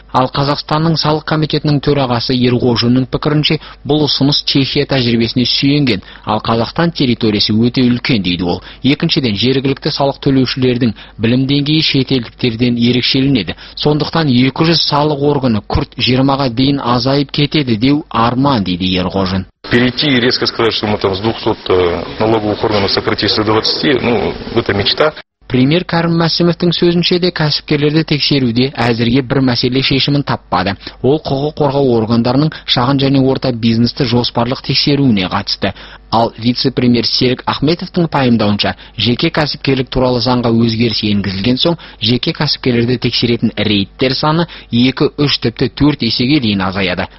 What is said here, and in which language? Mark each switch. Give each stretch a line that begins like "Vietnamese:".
Kazakh: Ал Қазақстанның салық комитетінің төрағасы Ерғожиннің пікірінше, бұл ұсыныс Чехия тәжірибесіне сүйенген, ал Қазақстан территориясы өте үлкен, дейді ол. Екіншіден, жергілікті салық төлеушілердің білім деңгейі шетелдіктерден ерекшеленеді. Сондықтан 200 салық органы күрт 20-ға дейін азайып кетеді деу арман, дейді Ерғожин.
Russian: Перейти и резко сказать, что мы там с 200 налоговых органов сократились до 20, это мечта.
Kazakh: Премьер Кәрім Мәсімовтің сөзінше де, кәсіпкерлерді тексеруде әзірге бір мәселе шешімін таппады. Ол құқық қорғау органдарының шағын және орта бизнесті жоспарлық тексеруіне қатысты. Ал вице-премьер Серік Ахметовтың пайымдауынша, жеке кәсіпкерлік туралы заңға өзгеріс енгізілген соң, жеке кәсіпкерлерді тексеретін рейдтер саны 2-3 тіпті 4 есеге дейін азаяды.